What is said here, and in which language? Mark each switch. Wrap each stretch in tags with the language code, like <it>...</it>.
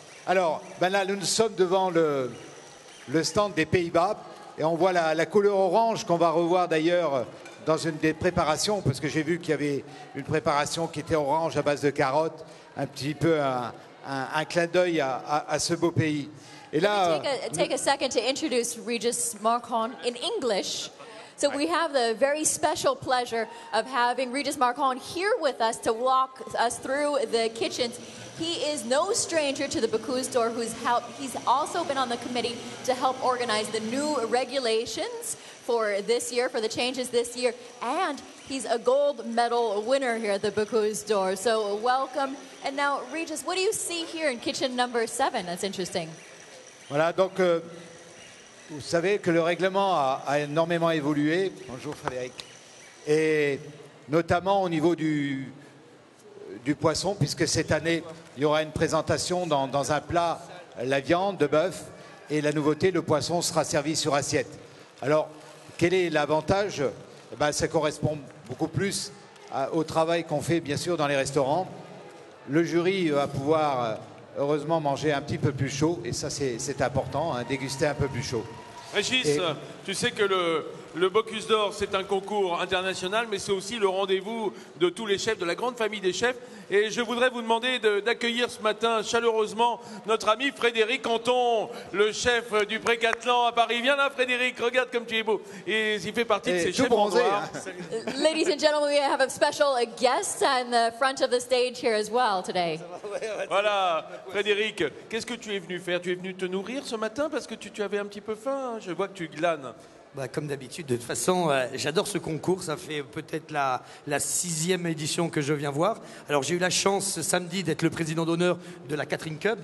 <fr>Alors, ben là, nous sommes devant le stand des Pays-Bas et on voit la couleur orange qu'on va revoir d'ailleurs dans une des préparations, parce que j'ai vu qu'il y avait une préparation qui était orange à base de carottes, un petit peu un clin d'œil à ce beau pays. Et là,</fr> <en>take a second to introduce Regis Marcon in English. So we have the very special pleasure of having Regis Marcon here with us to walk us through the kitchens. He is no stranger to the Bocuse d'Or, he's also been on the committee to help organize the new regulations for this year, for the changes this year. And He's a gold medal winner here at the Bocuse d'Or. So welcome. And now, Regis, what do you see here in kitchen number 7? That's interesting.</en> <fr>Voilà, donc, vous savez que le règlement a énormément évolué. Bonjour, Frédéric. Et notamment au niveau du poisson, puisque cette année, il y aura une présentation dans un plat, la viande de bœuf, et la nouveauté, le poisson sera servi sur assiette. Alors, quel est l'avantage ? Eh bien, ça correspond beaucoup plus au travail qu'on fait, bien sûr, dans les restaurants. Le jury va pouvoir, heureusement, manger un petit peu plus chaud, et ça, c'est important, hein, déguster un peu plus chaud. Régis, et... tu sais que le Bocuse d'Or, c'est un concours international, mais c'est aussi le rendez-vous de tous les chefs, de la grande famille des chefs. Et je voudrais vous demander d'accueillir ce matin chaleureusement notre ami Frédéric Anton, le chef du Précatelan à Paris. Viens là, Frédéric, regarde comme tu es beau. Et il fait partie de ces chefs bronzé, en noir. Hein.</fr> <en>Ladies and gentlemen, we have a special guest on the front of the stage here as well today.</en> <fr>Voilà, Frédéric, qu'est-ce que tu es venu faire? Tu es venu te nourrir ce matin parce que tu avais un petit peu faim. Hein. Je vois que tu glanes. Bah, comme d'habitude, de toute façon, j'adore ce concours. Ça fait peut-être la sixième édition que je viens voir. Alors, j'ai eu la chance samedi d'être le président d'honneur de la Catherine Cup.</fr>